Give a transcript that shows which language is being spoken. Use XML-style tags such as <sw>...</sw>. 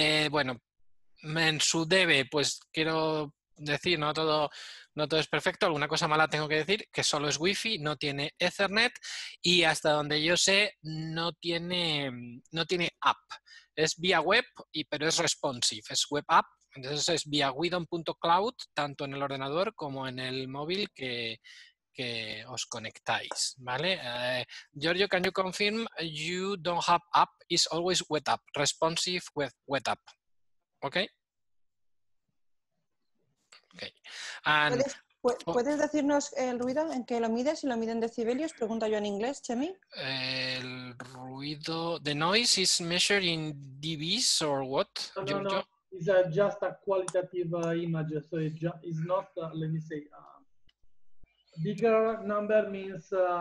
<es>Bueno, en su debe, pues quiero decir, no todo es perfecto, alguna cosa mala tengo que decir, que solo es Wi-Fi, no tiene Ethernet y hasta donde yo sé no tiene app. Es vía web, pero es responsive, es web app. Entonces es vía widon.cloud, tanto en el ordenador como en el móvil que os conectáis, ¿vale?</es> <en>Giorgio, can you confirm you don't have app, it's always web app, responsive with web app. ¿Okay? Okay.</en> <es>And, ¿Puedes decirnos el ruido? ¿En qué lo mides? ¿Si lo miden decibelios? Pregunto yo en inglés, Chemi. El ruido,</es> <en>the noise is measured in dBs or what, no, Giorgio? No, it's just a qualitative image, so it's not, let me say, bigger number means</en>